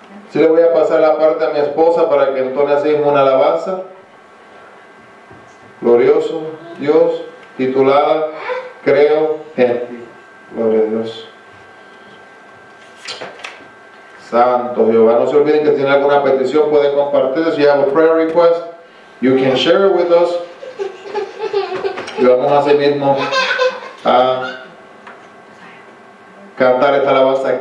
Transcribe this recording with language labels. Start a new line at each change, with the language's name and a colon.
Spanish: Si le voy a pasar la parte a mi esposa para que entone así una alabanza. Glorioso Dios, titulada Creo en ti. Gloria a Dios. Santo Jehová. No se olviden que si tienen alguna petición pueden compartir.
English: Si have a prayer request, you can share it with us.
Spanish: Y vamos a sí mismo a cantar esta alabanza.